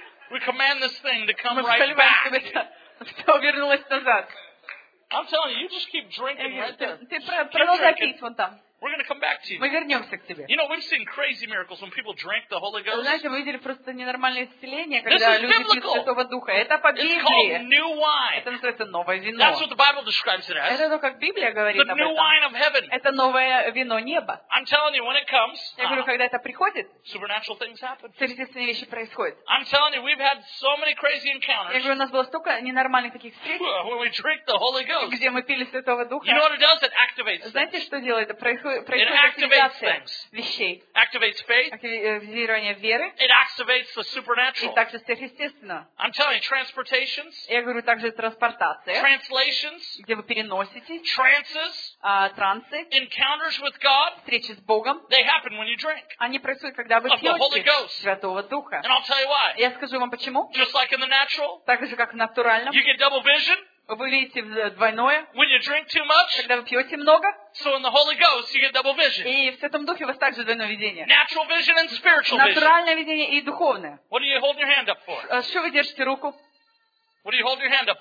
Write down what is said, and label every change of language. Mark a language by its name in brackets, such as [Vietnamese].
[English] We command this thing to come right back. [Russian] Мы вспоминаем, чтобы все вернулось назад. [English] I'm telling you, you just keep drinking right there. [Russian] Ты продолжай пить вон там. [English] We're going to come back to you. [Russian] Мы вернемся к тебе. [English] You know, we've seen crazy miracles when people drink the Holy Ghost. [Russian] Знаете, мы видели просто ненормальное исцеление, когда люди пьют Святого Духа. Это по Библии. [English] It's called new wine. [Russian] Это называется новое вино. [English] That's what the Bible describes it as. [Russian] Это то, как Библия говорит об этом. [English] The new wine of heaven. [Russian] Это новое вино неба. [English] I'm telling you, when it comes. [Russian] Я говорю, когда это приходит. [English] Supernatural things happen. [Russian] Сверхъестественные вещи происходят. [English] I'm telling you, we've had so many crazy encounters. [Russian] Я говорю, у нас было столько ненормальных таких встреч. [English] When we drink the Holy Ghost. [Russian] Где мы пили Святого Духа. [English] You know what it does? It activates. [Russian] Знаете, что делает? Это происходит. [English] It activates things. [Russian] Вещей. [English] Activates faith. [Russian] Активирование веры. [English] It activates the supernatural. [Russian] И также сверхъестественно. [English] I'm telling you, transportations. [Russian] Я говорю также транспортация. [English] Translations. [Russian] Где вы переносите. [English] Trances. [Russian] Трансы. [English] Encounters with God. [Russian] Встречи с Богом. [English] They happen when you drink. [Russian] Они происходят, когда вы пьете. [English] Of the Holy Ghost. [Russian] Святого Духа. [English] And I'll tell you why. [Russian] Я скажу вам почему. [English] Just like in the natural. [Russian] Так же, как в натуральном. [English] You get double vision. [Russian] Вы видите двойное. [English] When you drink too much, [Russian] когда вы пьете много. [English] So in the Holy Ghost, you get double vision. [Russian] И в Святом Духе у вас также двойное видение. [English] Natural vision and spiritual vision. [Russian] Натуральное видение и духовное. [English] What are you holding your hand up for? [Russian] Что вы держите руку? [English] What are you holding your hand up for?